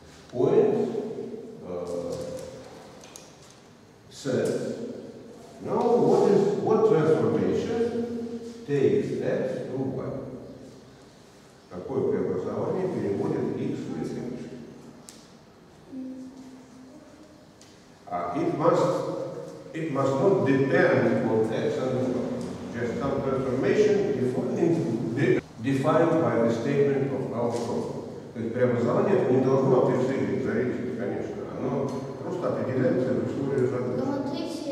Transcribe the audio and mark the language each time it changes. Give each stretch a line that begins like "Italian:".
English: Poet says, now what transformation takes X to Y?
Russian: Какое преобразование переводит X в Y?
English: It must not depend on X and Y. Just some transformation defined by the statement of our problem.
Russian: То есть преобразование не должно отрицать зависимость, конечно. Оно просто определяется в условии задачи.